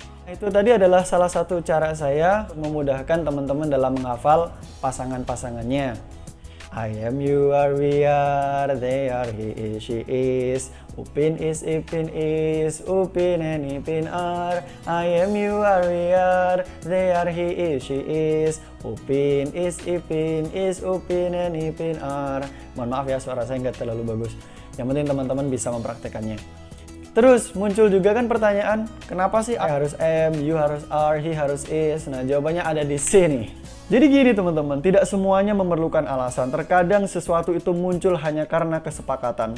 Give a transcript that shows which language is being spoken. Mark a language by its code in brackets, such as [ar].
[id] Itu tadi adalah salah satu cara saya memudahkan teman-teman dalam menghafal pasangan-pasangannya. [en] I am, you are, we are, they are, he is, she is, Upin is, Ipin is, Upin and Ipin are. I am, you are, we are, they are, he is, she is, Upin is, Ipin is, Upin and Ipin are. [id] Mohon maaf ya, suara saya nggak terlalu bagus. Yang penting teman-teman bisa mempraktekannya. Terus muncul juga kan pertanyaan, kenapa sih I harus am, you harus are, he harus is? Nah, jawabannya ada di sini. Jadi gini teman-teman, tidak semuanya memerlukan alasan. Terkadang sesuatu itu muncul hanya karena kesepakatan.